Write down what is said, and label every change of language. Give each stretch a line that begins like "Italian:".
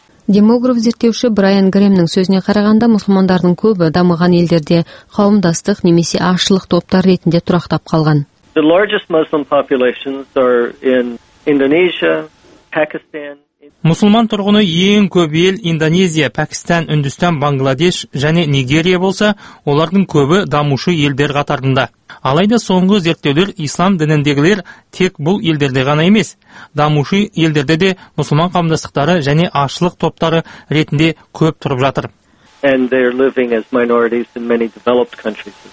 Kazakh: Демограф зерттеуші Брайан Грэмнің сөзіне қарағанда, мұсылмандардың көбі дамыған елдерде қауымдастық немесе азшылық топтар ретінде тұрақтап қалған.
English: The largest Muslim populations are in Indonesia, Pakistan.
Kazakh: Мұсылман тұрғыны ең көп ел Индонезия, Пәкістан, Үндістан, Бангладеш және Нигерия болса, олардың көбі дамушы елдер қатарында. Алайда соңғы зерттеулер ислам дініндегілер тек бұл елдерде ғана емес, дамушы елдерде де мұсылман қауымдастықтары және азшылық топтары ретінде көп тұрып жатыр.